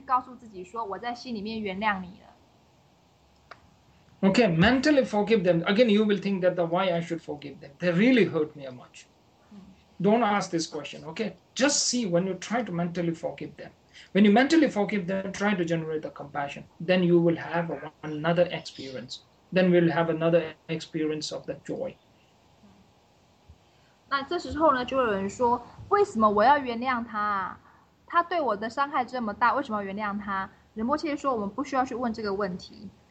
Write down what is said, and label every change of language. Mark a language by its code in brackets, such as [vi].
[zh] 那林波先说呢，今天上完课之后，我们可能就去学的第一步就是，我们要找到两三个人是我们会对他们动怒的。那我们必须在内心当中呢，真的去原谅他们。可是我们不需要在口语去上去告诉他们说我原谅你了，不用这样讲。你去这样讲，他们可能觉得你学法之后呢就疯了。那我们最重要是要内心去告诉自己说，我在心里面原谅你了。 [en] Okay, mentally forgive them. Again, you will think that why I should forgive them. They really hurt me much. Don't ask this question, okay? Just see when you try to mentally forgive them. When you mentally forgive them, try to generate the compassion. Then you will have another experience. Then we'll have another experience of the joy. [zh] 那这时候呢，就有人说，为什么我要原谅他？他对我的伤害这么大，为什么原谅他？仁波切说，我们不需要去问这个问题。